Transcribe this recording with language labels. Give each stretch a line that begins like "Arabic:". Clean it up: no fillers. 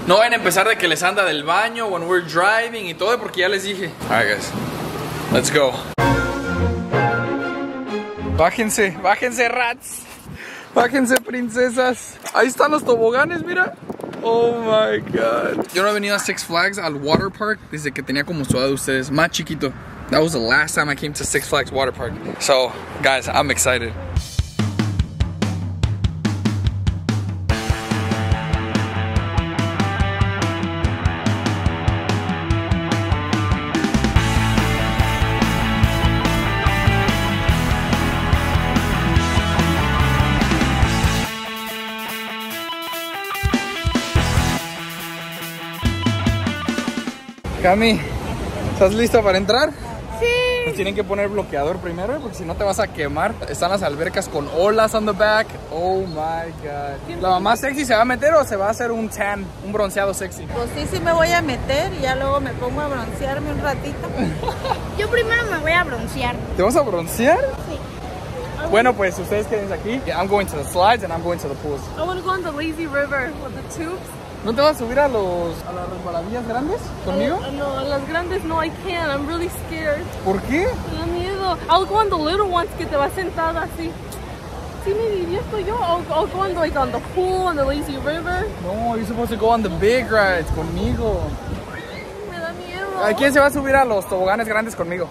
Spanish: No van a empezar de que les anda del baño
English: when we're driving
Spanish: y todo, porque ya les dije.
English: All right, guys. Let's go.
Spanish: Bájense, bájense, rats. Bájense, princesas. Ahí están los toboganes, mira.
English: Oh my god.
Spanish: Yo no he venido a Six Flags, al water park, desde que tenía como su edad de ustedes, más chiquito.
English: That was the last time I came to Six Flags Water Park. So, guys, I'm excited.
Spanish: Cami, ¿estás lista para entrar? Sí. Tienen que poner bloqueador primero porque si no te vas a quemar. Están las albercas con olas
English: on the back. Oh my god.
Spanish: ¿La mamá sexy se va a meter o se va a hacer un tan, un bronceado sexy? Pues sí, sí me voy a meter y ya luego me pongo a broncearme un ratito. Yo primero me voy a broncear. ¿Te vas a broncear? Sí. Bueno, pues ustedes quédense aquí.
English: I'm going to the slides and I'm going to the pools. I want to go on the lazy river with the tubes.
Spanish: ¿No te vas a subir a las resbaladillas grandes conmigo? No, a las grandes no,
English: I can't. I'm really scared.
Spanish: ¿Por qué? Me da miedo.
English: I'll go on the little ones
Spanish: que te vas sentada así. Sí, mi vida, soy yo.
English: I'll go on the, like, on the pool, on the lazy river. No, you're supposed to go on the big rides conmigo.
Spanish: Me da miedo. ¿A quién se va a subir a los toboganes grandes conmigo?